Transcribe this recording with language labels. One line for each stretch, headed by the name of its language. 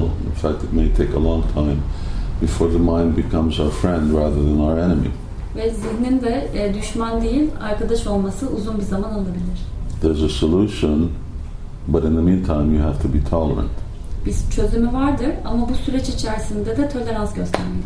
English: In fact, it may take a long time before the mind becomes our friend rather than our enemy.
Turkish: Ve zihnin de düşman değil, arkadaş olması uzun bir zaman alabilir.
English: There's a solution, but in the meantime, you have to be tolerant.
Turkish: Bir çözümü vardır, ama bu süreç içerisinde de tolerans göstermelisiniz.